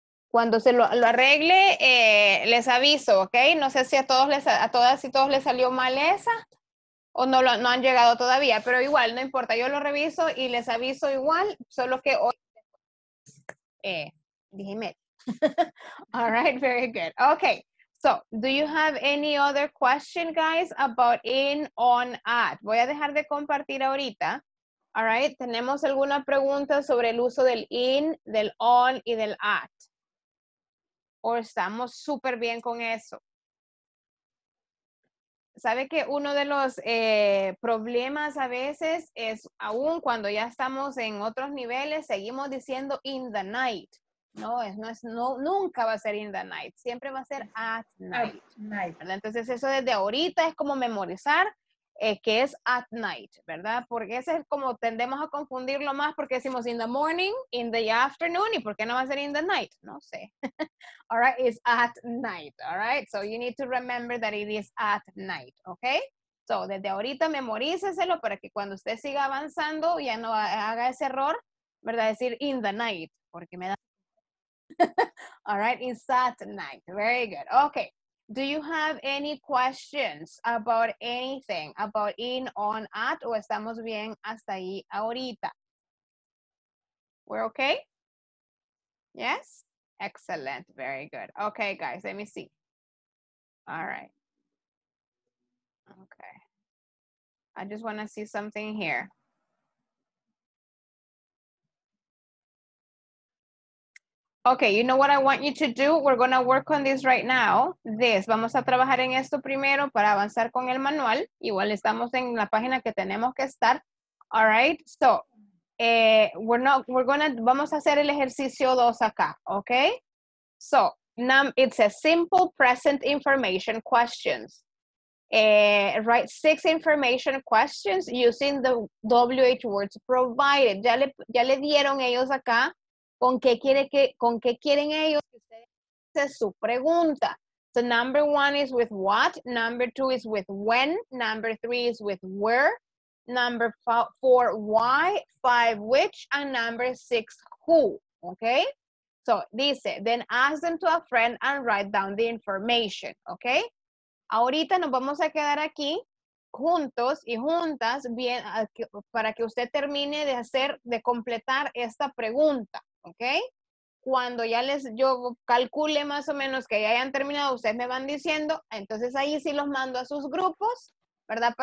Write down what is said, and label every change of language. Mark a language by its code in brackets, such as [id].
[es] Cuando se lo arregle, les aviso, ¿ok? No sé si a todas y todos les salió mal esa o no han llegado todavía, pero igual, no importa, yo lo reviso y les aviso igual, solo que hoy, dígame. [en] All right, very good. Okay, so, do you have any other question, guys, about in, on, at? [es] Voy a dejar de compartir ahorita. [en] All right, [es] ¿tenemos alguna pregunta sobre el uso del in, del on y del at? ¿O estamos súper bien con eso? ¿Sabe que uno de los problemas a veces es, aún cuando ya estamos en otros niveles, seguimos diciendo [en] in the night? [es] No, nunca va a ser [en] in the night. [es] Siempre va a ser [en] at night. [es] ¿Verdad? Entonces, eso desde ahorita es como memorizar que es [en] at night, [es] ¿verdad? Porque ese es como tendemos a confundirlo más porque decimos [en] in the morning, in the afternoon, [es] ¿y por qué no va a ser [en] in the night? [es] No sé. [en] All right, it's at night, all right? So you need to remember that it is at night, okay? [es] So desde ahorita memoríceselo para que cuando usted siga avanzando ya no haga ese error, ¿verdad? Decir [en] in the night, [es] porque me da... [en] All right, it's at night. Very good, okay. Do you have any questions about anything, about in, on, at, [es] o estamos bien hasta ahí ahorita? [en] We're okay? Yes? Excellent. Very good. Okay, guys, let me see. All right. Okay. I just want to see something here. Okay, you know what I want you to do? We're going to work on this right now. This. [es] Vamos a trabajar en esto primero para avanzar con el manual. Igual estamos en la página que tenemos que estar. [en] All right? So, [es] vamos a hacer el ejercicio 2 acá. [en] Okay? So, it's a simple present information questions. Write 6 information questions using the WH words provided. [es] Ya le dieron ellos acá. ¿Con qué quieren ellos que ustedes hagan su pregunta? [en] So number 1 is with what, number 2 is with when, number 3 is with where, number 4 why, 5 which, and number 6 who, okay? So [es] dice, [en] then ask them to a friend and write down the information, okay? [es] Ahorita nos vamos a quedar aquí juntos y juntas bien para que usted termine de completar esta pregunta. ¿Ok? Cuando ya yo calcule más o menos que ya hayan terminado, ustedes me van diciendo, entonces ahí sí los mando a sus grupos, ¿verdad?